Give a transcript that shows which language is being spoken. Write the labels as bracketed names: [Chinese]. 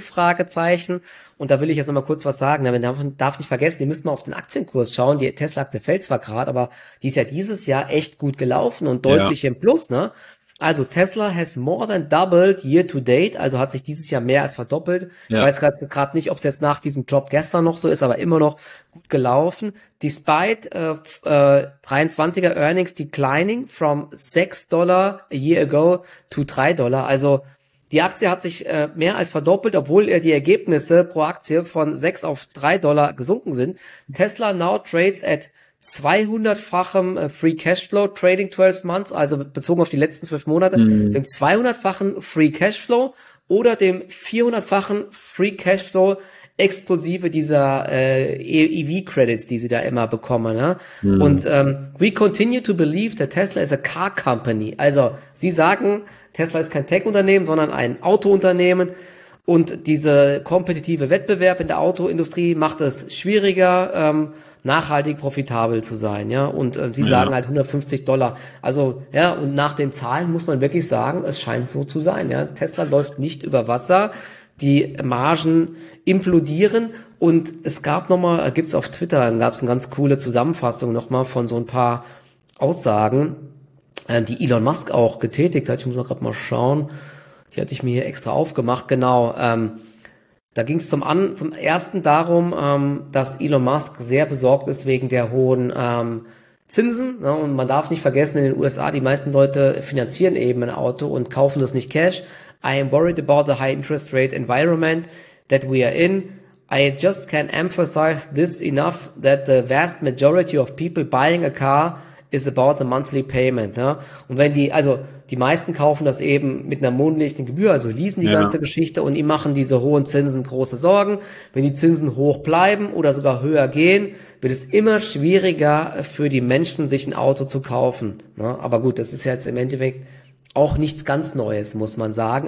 [German] Fragezeichen. Und da will ich jetzt nochmal kurz was sagen. Man darf nicht vergessen, ihr müsst mal auf den Aktienkurs schauen. Die Tesla-Aktie fällt zwar gerade, aber die ist ja dieses Jahr echt gut gelaufen und Ja. deutlich im Plus, ne? [English] Also Tesla has more than doubled year to date, [German] also hat sich dieses Jahr mehr als verdoppelt. Ich Ja. weiß gerade nicht, ob es jetzt nach diesem Drop gestern noch so ist, aber immer noch gut gelaufen. [English] Despite 23er Earnings declining from $6 a year ago to $3. [German] Also die Aktie hat sich mehr als verdoppelt, obwohl die Ergebnisse pro Aktie von 6 auf $3 gesunken sind. [English] Tesla now trades at [German] 200-fachem Free Cashflow [English] Trading 12 Months, [German] also bezogen auf die letzten 12 Monate, dem 200-fachen Free Cashflow oder dem 400-fachen Free Cashflow exklusive dieser EV-Credits, die sie da immer bekommen. Ne? [English] Und we continue to believe that Tesla is a car company. [German] Also sie sagen, Tesla ist kein Tech-Unternehmen, sondern ein Autounternehmen. Und dieser kompetitive Wettbewerb in der Autoindustrie macht es schwieriger, nachhaltig profitabel zu sein, ja. Und sie sagen Ja. halt $150. Also ja, und nach den Zahlen muss man wirklich sagen, es scheint so zu sein, ja. Tesla läuft nicht über Wasser, die Margen implodieren und es gab noch mal, gibt's auf Twitter, gab es eine ganz coole Zusammenfassung noch mal von so ein paar Aussagen, die Elon Musk auch getätigt hat. Ich muss mal gerade mal schauen. Die hatte ich mir hier extra aufgemacht, genau. Da ging es zum ersten darum, dass Elon Musk sehr besorgt ist wegen der hohen Zinsen. Ne? Und man darf nicht vergessen, in den USA, die meisten Leute finanzieren eben ein Auto und kaufen das nicht Cash. [English] I am worried about the high interest rate environment that we are in. I just can't emphasize this enough, that the vast majority of people buying a car is about the monthly payment. [German] Ne? Und wenn die, also die meisten kaufen das eben mit einer monatlichen Gebühr, also leasen die ganze Ja. Geschichte und ihm machen diese hohen Zinsen große Sorgen. Wenn die Zinsen hoch bleiben oder sogar höher gehen, wird es immer schwieriger für die Menschen, sich ein Auto zu kaufen. Ne? Aber gut, das ist jetzt im Endeffekt auch nichts ganz Neues, muss man sagen.